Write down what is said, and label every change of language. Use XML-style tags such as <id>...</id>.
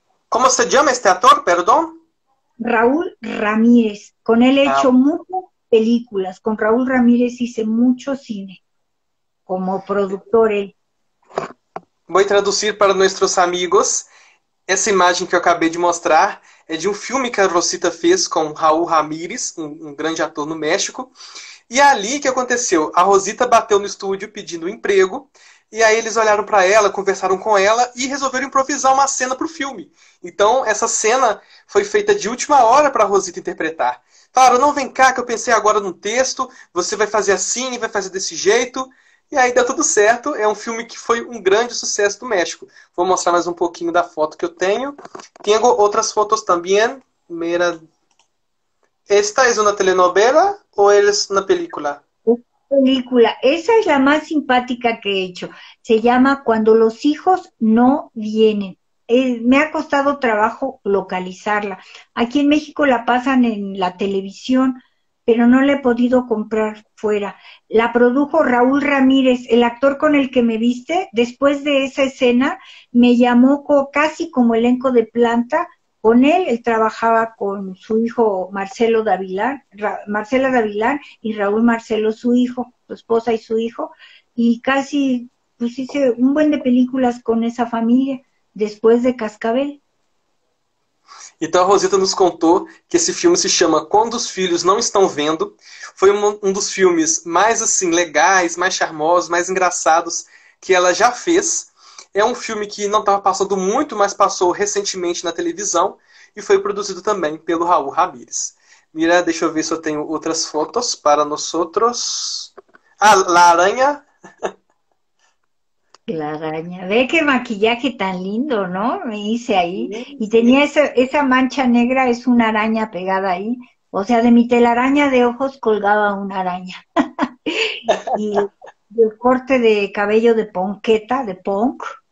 <es>¿Cómo se llama este actor, perdón? Raúl Ramírez. Con él he hecho muchas películas. Con Raúl Ramírez hice mucho cine. Como productor él. Voy a traducir para nuestros amigos esa imagen que acabé de mostrar.</es> <pt>É de um filme que a Rosita fez com Raul Ramírez, um grande ator no México. E ali, o que aconteceu? A Rosita bateu no estúdio pedindo um emprego. E aí eles olharam para ela, conversaram com ela e resolveram improvisar uma cena para o filme. Então, essa cena foi feita de última hora para a Rosita interpretar. Falaram, não vem cá, que eu pensei agora no texto. Você vai fazer assim, vai fazer desse jeito. E aí deu tudo certo, é um filme que foi um grande sucesso do México. Vou mostrar mais um pouquinho da foto que eu tenho. Tenho outras fotos também. Mira, esta é uma telenovela ou é uma película?</pt> <es>Película, esa es la más simpática que he hecho. Se llama Cuando los hijos no vienen. Me ha costado trabajo localizarla. Aquí en México la pasan en la televisión, pero no la he podido comprar fuera. La produjo Raúl Ramírez, el actor con el que me viste. Después de esa escena, me llamó casi como elenco de planta con él. Él trabajaba con su hijo Marcelo Davilán, Marcela Davilán, y Raúl Marcelo, su hijo, su esposa y su hijo. Y casi, pues hice un buen de películas con esa familia, después de Cascabel.</es> <pt>Então a Rosita nos contou que esse filme se chama Quando os Filhos Não Estão Vendo. Foi um dos filmes mais assim legais, mais charmosos, mais engraçados que ela já fez. É um filme que não estava passando muito, mas passou recentemente na televisão e foi produzido também pelo Raul Ramírez. Mira, deixa eu ver se eu tenho outras fotos para nós.</pt> <es>La Araña. La araña, ve qué maquillaje tan lindo, ¿no? Me hice ahí. Y tenía esa mancha negra, es una araña pegada ahí. O sea, de mi telaraña de ojos colgaba una araña. Y el corte de cabello de ponqueta, de punk.</es>